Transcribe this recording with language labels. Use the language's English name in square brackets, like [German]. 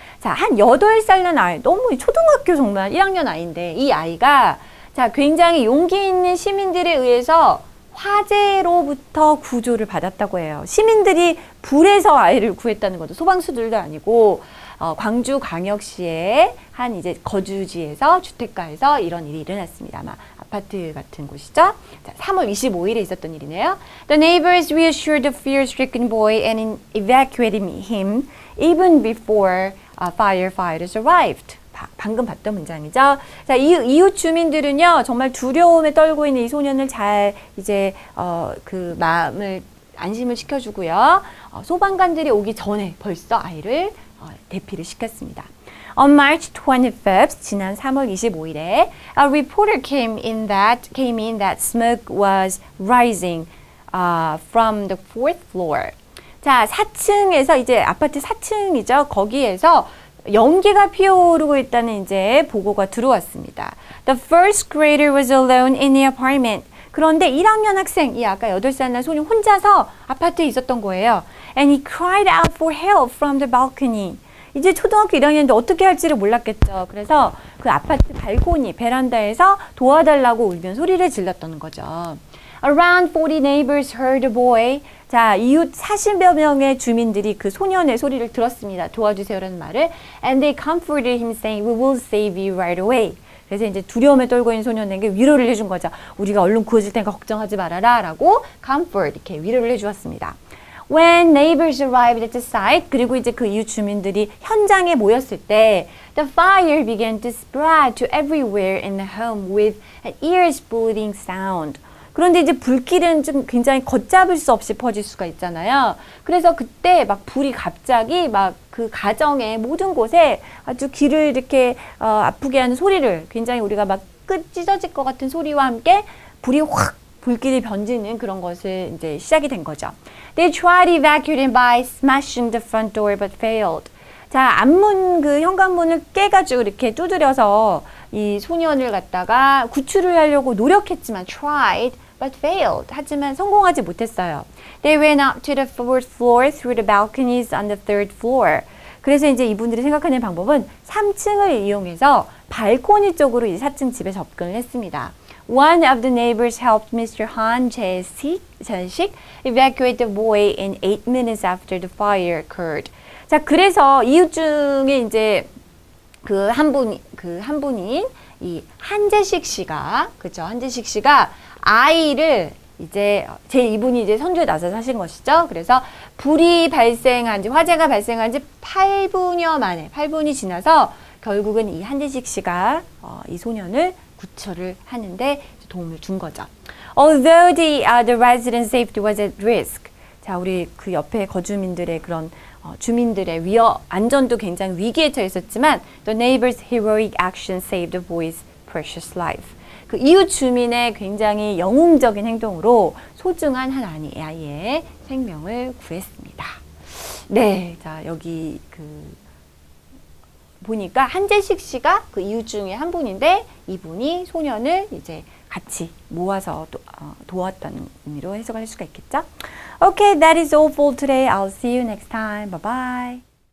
[Korean] 자, 한 8살 난 아이, 너무 초등학교 정말 1학년 아이인데 이 아이가 자, 굉장히 용기 있는 시민들에 의해서 화재로부터 구조를 받았다고 해요. 시민들이 불에서 아이를 구했다는 것도 소방수들도 아니고 광주 광역시의 한 이제 거주지에서 주택가에서 이런 일이 일어났습니다. 아마 아파트 같은 곳이죠. 자, 3월 25일에 있었던 일이네요. [English] The neighbors reassured the fear-stricken boy and evacuated him even before firefighters arrived. [Korean] 방금 봤던 문장이죠. 자, 이웃 주민들은요, 정말 두려움에 떨고 있는 이 소년을 잘 이제, 그 마음을 안심을 시켜주고요. 소방관들이 오기 전에 벌써 아이를 대피를 시켰습니다. [English] On March 25th, [Korean] 지난 3월 25일에, [English] a reporter came in that smoke was rising from the fourth floor. [Korean] 자, 4층에서 이제 아파트 4층이죠. 거기에서 연기가 피어오르고 있다는 이제 보고가 들어왔습니다. [English] The first grader was alone in the apartment. [Korean] 그런데 1학년 학생, 이 아까 8살 난 소년 혼자서 아파트에 있었던 거예요. [English] And he cried out for help from the balcony. [Korean] 이제 초등학교 1학년인데 어떻게 할지를 몰랐겠죠. 그래서 그 아파트 발코니, 베란다에서 도와달라고 울면 소리를 질렀다는 거죠. [English] Around 40 neighbors heard a boy. [Korean] 자, 이웃 40여 명의 주민들이 그 소년의 소리를 들었습니다. 도와주세요라는 말을. [English] And they comforted him saying, we will save you right away. [Korean] 그래서 이제 두려움에 떨고 있는 소년에게 위로를 해준 거죠. 우리가 얼른 구해줄 테니까 걱정하지 말아라 라고 comfort, 이렇게 위로를 해주었습니다. [English] When neighbors arrived at the site, [Korean] 그리고 이제 그 이웃 주민들이 현장에 모였을 때, [English] the fire began to spread to everywhere in the home with an ear-splitting sound. [Korean] 그런데 이제 불길은 좀 굉장히 걷잡을 수 없이 퍼질 수가 있잖아요. 그래서 그때 막 불이 갑자기 막 그 가정의 모든 곳에 아주 귀를 이렇게 아프게 하는 소리를 굉장히 우리가 막 끝 찢어질 것 같은 소리와 함께 불이 확 불길이 번지는 그런 것을 이제 시작이 된 거죠. [English] They tried evacuating by smashing the front door but failed. [Korean] 자, 앞문 그 현관문을 깨가지고 이렇게 두드려서 이 소년을 갖다가 구출을 하려고 노력했지만 [English] tried but failed. [Korean] 하지만 성공하지 못했어요. [English] They went up to the fourth floor through the balconies on the third floor. [Korean] 그래서 이제 이분들이 생각하는 방법은 3층을 이용해서 발코니 쪽으로 이제 4층 집에 접근을 했습니다. [English] One of the neighbors helped Mr. Han Jae-sik evacuate the boy in 8 minutes after the fire occurred. [Korean] 자, 그래서 이웃 중에 이제 그 한 분인 이 한재식 씨가, 그죠? 한재식 씨가 아이를 이제 제 이분이 이제 선두에 나서 사신 것이죠. 그래서 불이 발생한 지, 화재가 발생한 지 8분여 만에, 8분이 지나서 결국은 이 한재식 씨가 이 소년을 구출을 하는데 이렇게 도움을 준 거죠. [English] Although the resident safety was at risk. [Korean] 자, 우리 그 옆에 거주민들의 그런 주민들의 위협, 안전도 굉장히 위기에 처해 있었지만 [English] the neighbor's heroic action saved the boy's precious life. [Korean] 그 이웃 주민의 굉장히 영웅적인 행동으로 소중한 한 아이의 생명을 구했습니다. 네, 자 여기 그 보니까 한재식 씨가 그 이웃 중에 한 분인데 이분이 소년을 이제 같이 모아서 도왔던 의미로 해석할 수가 있겠죠? [English] Okay, that is all for today. I'll see you next time. Bye-bye.